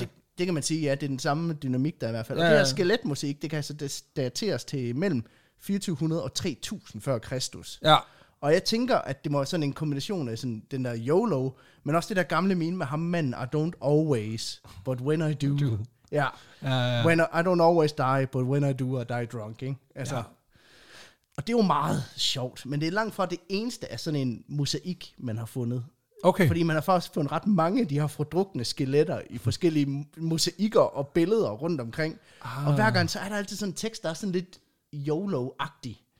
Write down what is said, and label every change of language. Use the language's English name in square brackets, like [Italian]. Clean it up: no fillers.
[Danish] Jamen, det kan man sige, ja, det er den samme dynamik, der i hvert fald. Ja. Og det her skeletmusik, det kan altså dateres til mellem 2400 og 3000 før Kristus. Ja. Og jeg tænker, at det må være sådan en kombination af sådan den der YOLO, men også det der gamle meme med ham manden, [English] I don't always, but when I do. [Danish] Ja, yeah. [English] When I don't always die, but when I do, I die drunk. [Danish] Ikke? Altså, ja. Og det er jo meget sjovt, men det er langt fra det eneste af sådan en mosaik, man har fundet. Okay. Fordi man har faktisk fundet ret mange af de her fordrukne skeletter i forskellige mosaikker og billeder rundt omkring. Ah. Og hver gang, så er der altid sådan en tekst, der er sådan lidt YOLO-agtig.